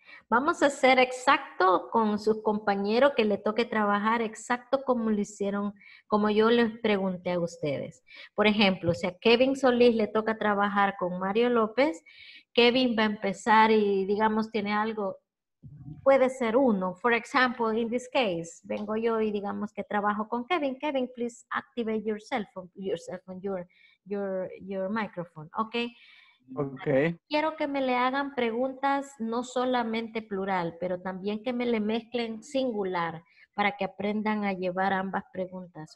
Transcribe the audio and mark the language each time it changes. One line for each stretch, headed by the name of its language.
Spanish: Vamos a hacer exacto con sus compañeros que le toque trabajar exacto como lo hicieron, como yo les pregunté a ustedes. Por ejemplo, si a Kevin Solís le toca trabajar con Mario López, Kevin va a empezar y digamos tiene algo, puede ser uno.
English: For example, in this case,
Spanish: vengo yo y digamos que trabajo con Kevin.
English: Kevin, please activate yourself on your microphone, okay? Okay.
Spanish: Quiero que me le hagan preguntas no solamente plural, pero también que me le mezclen singular para que aprendan a llevar ambas preguntas.